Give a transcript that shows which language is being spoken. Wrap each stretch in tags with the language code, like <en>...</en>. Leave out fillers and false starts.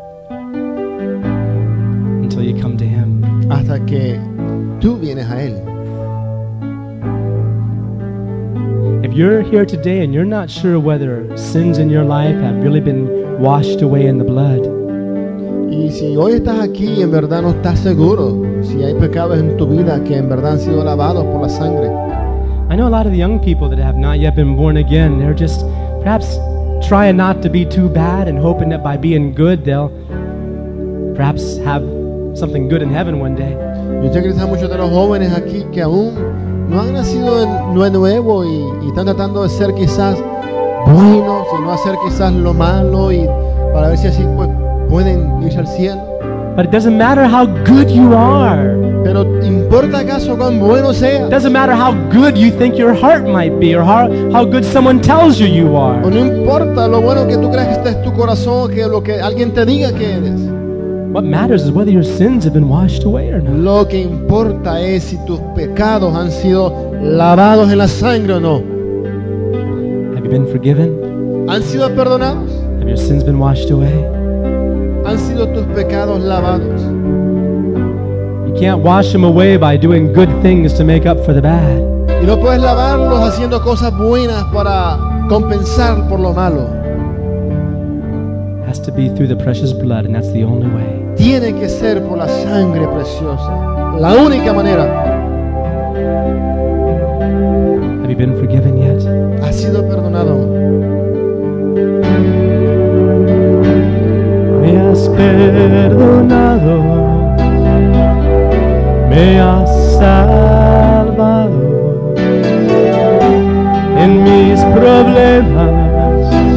<en>Until you come to Him.</en> <es>Hasta que tú vienes a Él.</es> <en>If you're here today and you're not sure whether sins in your life have really been washed away in the blood.</en> <es>Y si hoy estás aquí y en verdad no estás seguro si hay pecados en tu vida que en verdad han sido lavados por la sangre.</es> <en>I know a lot of the young people that have not yet been born again. They're just perhaps trying not to be too bad and hoping that by being good, they'll perhaps have something good in heaven one day.</en> <es>Yo sé que están muchos de los jóvenes aquí que aún no han nacido de nuevo y están tratando de ser quizás buenos y no hacer quizás lo malo y para ver si así pues, pueden irse al cielo.</es> <en>But it doesn't matter how good you are.</en> <es>Pero importa acaso cuán bueno sea.</es> <en>It doesn't matter how good you think your heart might be or how good someone tells you you are.</en> <es>No importa lo bueno que tú creas que estés tu corazón o que lo que alguien te diga que eres.</es> <en>What matters is whether your sins have been washed away or not.</en> <es>Lo que importa es si tus pecados han sido lavados en la sangre o no.</es> <en>Have you been forgiven?</en> <es>¿Han sido perdonados?</es> <en>Have your sins been washed away?</en> <es>¿Han sido tus pecados lavados?</es> <en>You can't wash them away by doing good things to make up for the bad.</en> <es>Y no puedes lavarlos haciendo cosas buenas para compensar por lo malo.</es> <en>To be through the precious blood, and that's the only way.</en> <es>Tiene que ser por la sangre preciosa, la única manera.</es> <en>Have you been forgiven yet?</en> <es>¿Has sido perdonado? Me has perdonado, me has salvado en mis problemas.</es>